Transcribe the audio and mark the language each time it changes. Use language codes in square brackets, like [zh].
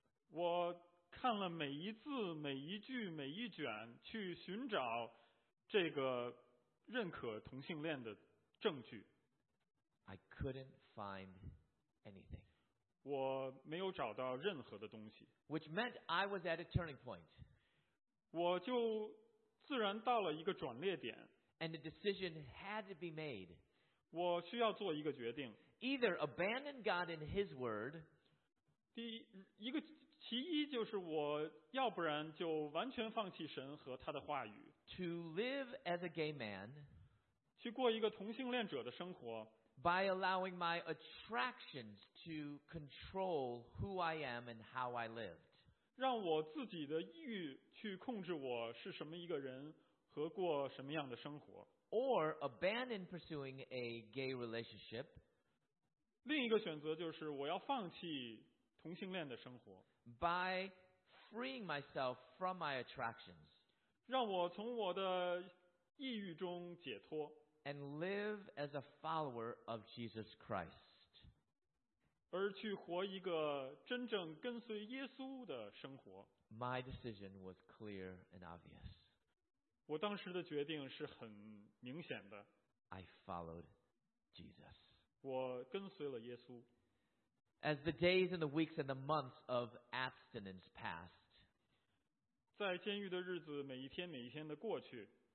[zh] 我看了每一字、每一句、每一卷去寻找这个认可同性恋的证据。 [en] I couldn't find anything. [zh] 我没有找到任何的东西 [en] which meant I was at a turning point [zh] 我就自然到了一个转捩点 [en] and a decision had to be made [zh] 我需要做一个决定 [en] either abandon God and His Word [zh] 第一个其一就是我要不然就完全放弃神和他的话语 [en] to live as a gay man [zh] 去过一个同性恋者的生活 [en] By allowing my attractions to control who I am and how I lived. [zh] 让我自己的意欲去控制我是什么一个人和过什么样的生活。 [en] Or abandon pursuing a gay relationship. [zh] 另一个选择就是我要放弃同性恋的生活。 [en] By freeing myself from my attractions. [zh] 让我从我的意欲中解脱。 [en] And live as a follower of Jesus Christ. [zh] 而去活一个真正跟随耶稣的生活。 [en] My decision was clear and obvious. [zh] 我当时的决定是很明显的。 [en] I followed Jesus. [zh] 我跟随了耶稣。 [en] As the days and the weeks and the months of abstinence passed, [zh] 在监狱的日子每一天每一天的过去。